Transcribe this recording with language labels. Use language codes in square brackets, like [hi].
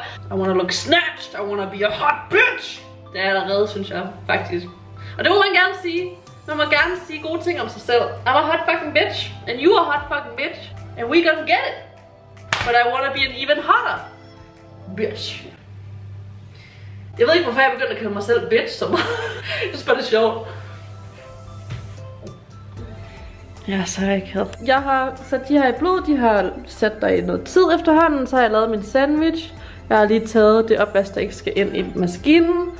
[en] I wanna look snatched, I wanna be a hot bitch. [da] Det er allerede, synes jeg, faktisk. Og det må man gerne sige. Man må gerne sige gode ting om sig selv. [en] I'm a hot fucking bitch, and you are a hot fucking bitch. And we gonna get it. But I wanna be an even hotter bitch. [da] Jeg ved ikke, hvorfor jeg begyndte at kalde mig selv bitch så meget. Det er bare sjovt. Jeg er så rigtig. Jeg har sat de her i blod, de har sat der i noget tid efterhånden. Så har jeg lavet min sandwich. Jeg har lige taget det opvask, der ikke skal ind i maskinen.